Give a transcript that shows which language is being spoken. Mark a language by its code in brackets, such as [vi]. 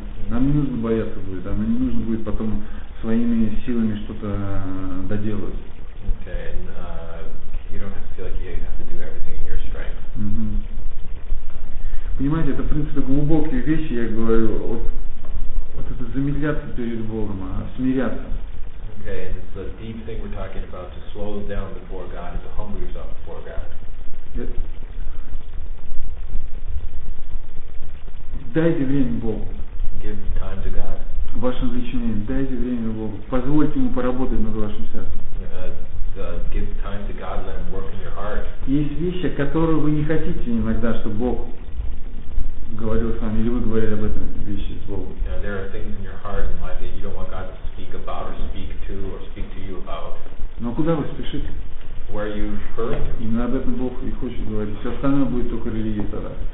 [ru] Нам не нужно бояться будет, нам не нужно будет потом своими силами что-то доделывать. [en] Okay, and you don't have to feel like you have to do everything in your strength. [ru] Понимаете, это, в принципе, глубокие вещи, я говорю, вот это замедляться перед Богом, а смиряться. [en] Okay, and it's a deep thing we're talking about, to slow down before God and to humble yourself before God. [ru] Дайте время Богу. [en] Give time to God. [ru] В вашем лечении, дайте время Богу. Позвольте ему поработать над вашим сердцем. [en] Give time to God, let him work in your heart. [ru] Есть вещи, которые вы не хотите иногда, чтобы Бог говорил с вами, или вы говорили об этом вещи с Богом. [en] Yeah, there are things in your heart and life that you don't want God to speak about or speak to or speak to you about. [ru] Но куда вы спешите? [en] Where you hurt? [ru] Именно об этом Бог и хочет говорить. Все остальное будет только религия тогда.